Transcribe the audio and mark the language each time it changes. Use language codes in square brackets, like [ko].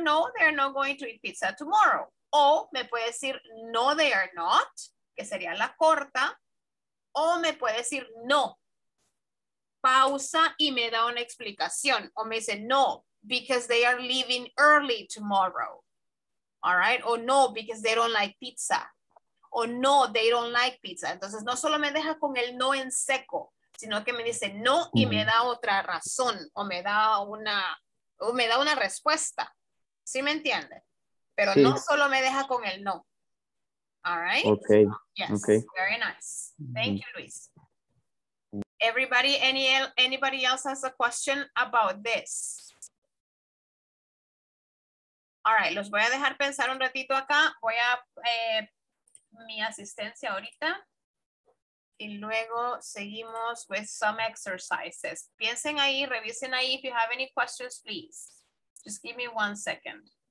[en] No, they are not going to eat pizza tomorrow. [es] O me puede decir, [en] no, they are not, [es] que sería la corta. O me puede decir, no, pausa y me da una explicación. O me dice, [en] no, because they are leaving early tomorrow. All right. [es] O no, [en] because they don't like pizza. O no, they don't like pizza. [es] Entonces, no solo me deja con el no en seco, sino que me dice no y me da otra razón o me da una respuesta. ¿Sí me entiende? Pero sí. No solo me deja con el no. [en] All right? Okay. Yes. Okay. Very nice. Thank you, Luis. Everybody, anybody else has a question about this? All right, [es] los voy a dejar pensar un ratito acá. Voy a mi asistencia ahorita. Y luego seguimos [en] with some exercises. [es] Piensen ahí, revisen ahí. [en] If you have any questions, please. Just give me one second.